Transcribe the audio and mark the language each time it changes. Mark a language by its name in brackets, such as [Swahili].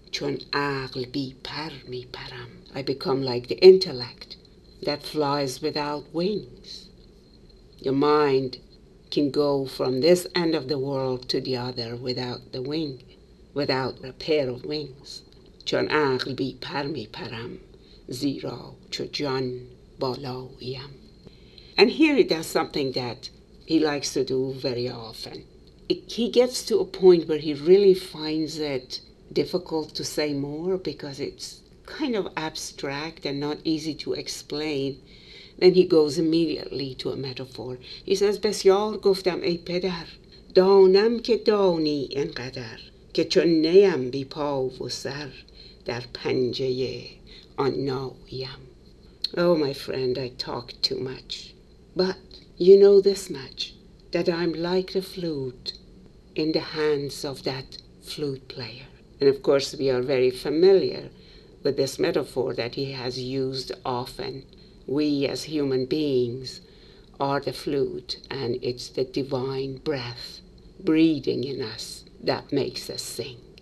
[Persian] چون عقل بی پر می پرم. [English] I become like the intellect that flies without wings. Your mind can go from this end of the world to the other without the wing, without a pair of wings. [Persian] چون عقل بی پر می پرم زیرا چو جان بالاییم. [English] And here he does something that he likes to do very often. He gets to a point where he really finds it difficult to say more because it's kind of abstract and not easy to explain. Then he goes immediately to a metaphor. He says, بسیار گفتم ای پدر دانم که دانی اینقدر که چون نیم بی پا و سر در پنجه آن ناییم. Oh, my friend, I talk too much. But you know this much, that I'm like the flute in the hands of that flute player. And of course, we are very familiar with this metaphor that he has used often. We as human beings are the flute, and it's the divine breath breathing in us that makes us sing.